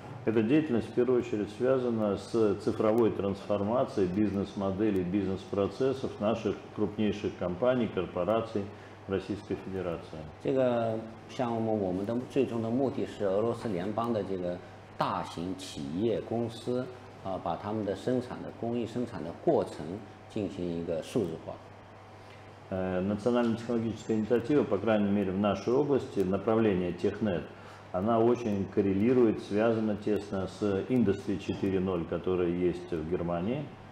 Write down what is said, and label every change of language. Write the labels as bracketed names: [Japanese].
[Russian] Эта деятельность в первую очередь связана с цифровой трансформацией бизнес-моделей, бизнес-процессов наших крупнейших компаний, корпораций Российской Федерации. [Chinese] 这个项目我们的最终的目的是俄罗斯联邦的这个。大型企业公司把他们的生产的工艺生产的过程进行一个数字化。 [Russian] Национальная технологическая инициатива, по крайней мере в нашей области, направление Технет, она очень коррелирует, связана тесно с Industry 4.0, которая есть в Германии.